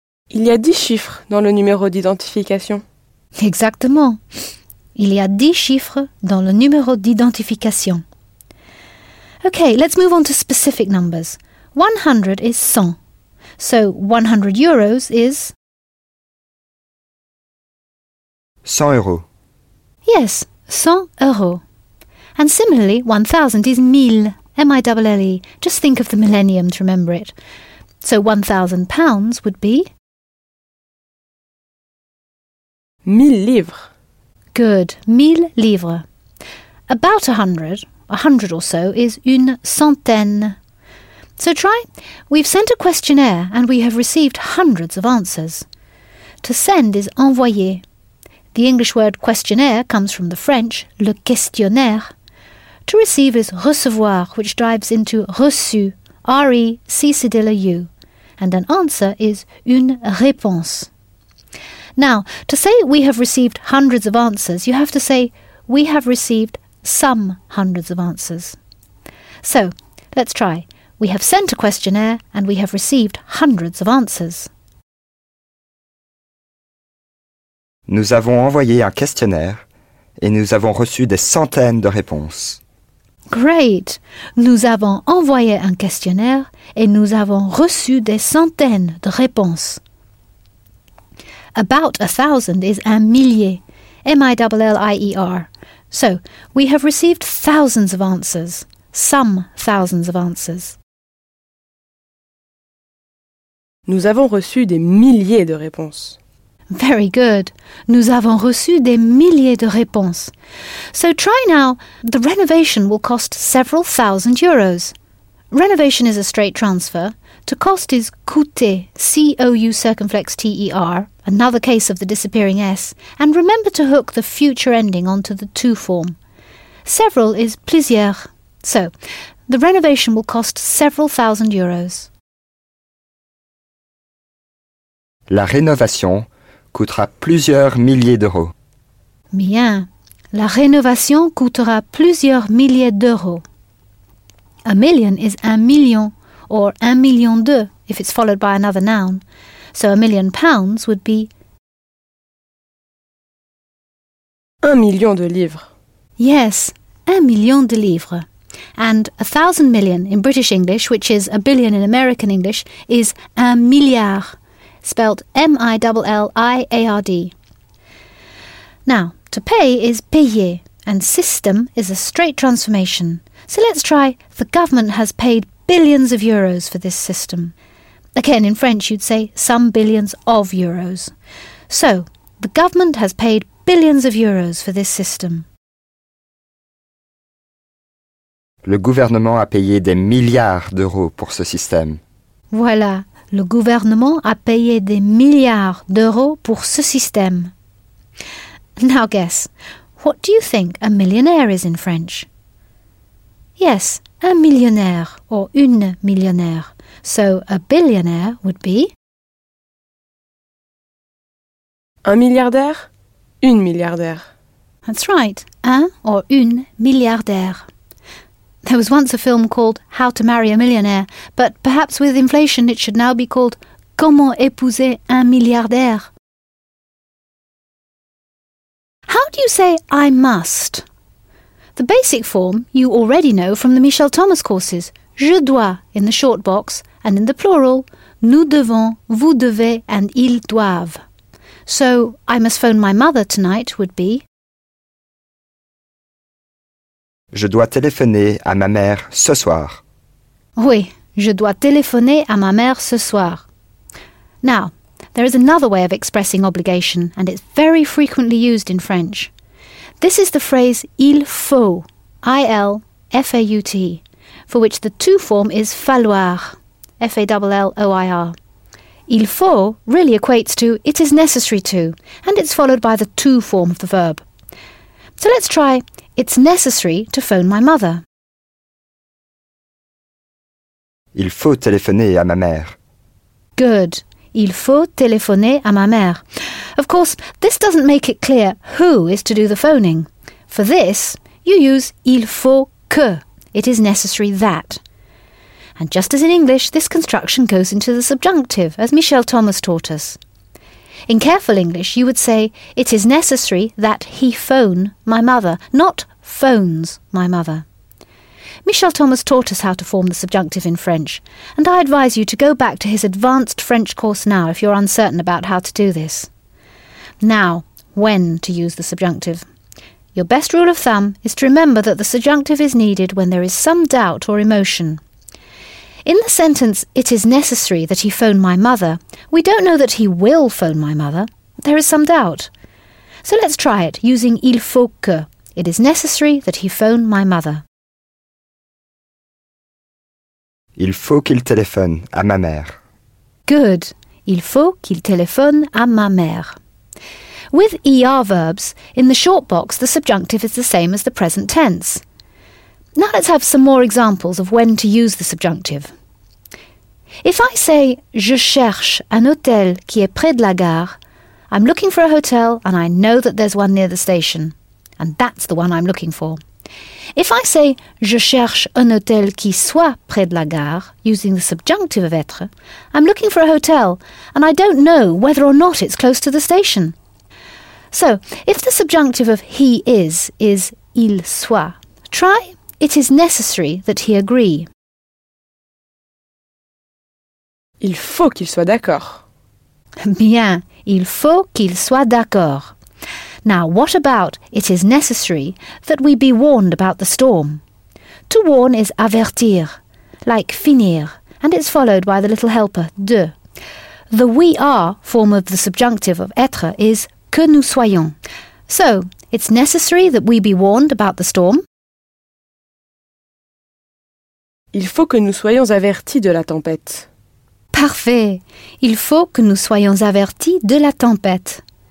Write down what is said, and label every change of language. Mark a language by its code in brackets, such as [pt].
[fr] Il y a 10 chiffres dans le numéro d'identification. Exactement. Il y a 10 chiffres dans le numéro d'identification. [en] OK, let's move on to specific numbers. 100 is 100. So, 100 euros is... [fr] 100 euros. [en] Yes, 100 euros. And similarly, 1,000 is 1,000, M-I-L-L-E. Just think of the millennium to remember it. So, 1,000 pounds would be... [fr] 1,000 livres. [en] Good, 1,000 livres. About 100 or so, is [fr] une centaine. [en] So try, we've sent a questionnaire and we have received hundreds of answers. To send is envoyer. The English word questionnaire comes from the French, [fr] le questionnaire. [en] To receive is recevoir, which dives into reçu, R-E-C-C-D-L-U. And an answer is [fr] une réponse. [en] Now, to say we have received hundreds of answers, you have to say we have received some hundreds of answers. So, let's try. We have sent a questionnaire and we have received hundreds of answers. [fr] Nous avons envoyé un questionnaire et nous avons reçu des centaines de réponses. [en] Great! [fr] Nous avons envoyé un questionnaire et nous avons reçu des centaines de réponses. [en] About 1,000 is [fr] un millier, [en] M-I-L-L-I-E-R. So, we have received thousands of answers, some thousands of answers. [fr] Nous avons reçu des milliers de réponses. [en] Very good. [fr] Nous avons reçu des milliers de réponses. [en] So try now, the renovation will cost several thousand euros. Renovation is a straight transfer. To cost is coûter, C-O-U circumflex-T-E-R, another case of the disappearing S, and remember to hook the future ending onto the to form. Several is plusieurs. So, the renovation will cost several thousand euros. [fr] La rénovation coûtera plusieurs milliers d'euros. Bien, la rénovation coûtera plusieurs milliers d'euros. [en] A million is 1 million, or 1,000,002, if it's followed by another noun. So £1,000,000 would be... [fr] 1 million de livres. [en] Yes, 1 million de livres. And 1,000,000,000 in British English, which is 1 billion in American English, is [fr] 1 milliard, [en] spelled M-I-L-L-I-A-R-D. Now, to pay is payer, and system is a straight transformation. So let's try, the government has paid billions of euros for this system. Again, in French, you'd say some billions of euros. So, the government has paid billions of euros for this system. [fr] Le gouvernement a payé des milliards d'euros pour ce système. Voilà, le gouvernement a payé des milliards d'euros pour ce système. [en] Now guess, what do you think a millionaire is in French? Yes, [fr] un millionnaire [en] or [fr] une millionnaire. [en] So a billionaire would be... [fr] Un milliardaire, une milliardaire. [en] That's right, un or [fr] une milliardaire. [en] There was once a film called How to Marry a Millionaire, but perhaps with inflation it should now be called [fr] Comment épouser un milliardaire? [en] How do you say I must? The basic form you already know from the Michel Thomas courses. [fr] Je dois [en] in the short box and in the plural, [fr] nous devons, vous devez [en] and [fr] ils doivent. [en] So I must phone my mother tonight would be [fr] Je dois téléphoner à ma mère ce soir. Oui, je dois téléphoner à ma mère ce soir. [en] Now, there is another way of expressing obligation, and it's very frequently used in French. This is the phrase [fr] il faut, [en] I-L-F-A-U-T, for which the to form is falloir, F-A-L-L-O-I-R. [fr] Il faut [en] really equates to it is necessary to, and it's followed by the to form of the verb. So let's try, it's necessary to phone my mother. [fr] Il faut téléphoner à ma mère. [en] Good. [fr] Il faut téléphoner à ma mère. [en] Of course, this doesn't make it clear who is to do the phoning. For this, you use [fr] il faut que. [en] It is necessary that. And just as in English, this construction goes into the subjunctive, as Michel Thomas taught us. In careful English, you would say, it is necessary that he phone my mother, not phones my mother. Michel Thomas taught us how to form the subjunctive in French, and I advise you to go back to his advanced French course now if you're uncertain about how to do this. Now, when to use the subjunctive. Your best rule of thumb is to remember that the subjunctive is needed when there is some doubt or emotion. In the sentence, it is necessary that he phone my mother, we don't know that he will phone my mother. There is some doubt. So let's try it using [fr] il faut que. [en] It is necessary that he phone my mother. [fr] Il faut qu'il téléphone à ma mère. [en] Good. [fr] Il faut qu'il téléphone à ma mère. [en] With ER verbs, in the short box, the subjunctive is the same as the present tense. Now let's have some more examples of when to use the subjunctive. If I say, [fr] je cherche un hôtel qui est près de la gare, [en] I'm looking for a hotel and I know that there's one near the station. And that's the one I'm looking for. If I say, [fr] je cherche un hôtel qui soit près de la gare, [en] using the subjunctive of être, I'm looking for a hotel and I don't know whether or not it's close to the station. So, if the subjunctive of he is [fr] il soit, [en] try... It is necessary that he agree. [fr] Il faut qu'il soit d'accord. Bien, il faut qu'il soit d'accord. [en] Now, what about it is necessary that we be warned about the storm? To warn is avertir, like finir, and it's followed by the little helper, de. The we are form of the subjunctive of être is [fr] que nous soyons. [en] So, it's necessary that we be warned about the storm. [fr] Il faut que nous soyons avertis de la tempête. Parfait. Il faut que nous soyons avertis de la tempête.